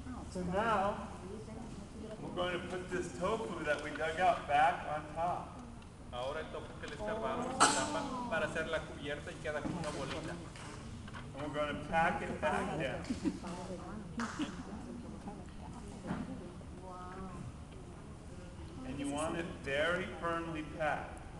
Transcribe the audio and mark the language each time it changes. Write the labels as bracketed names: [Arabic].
[English] So now, we're going to put this tofu that we dug out back on top. [Spanish] Ahora el tofu que le escaparon para hacer la cubierta y queda como una bolita. [English] And we're going to pack it back in. And you want it very firmly packed.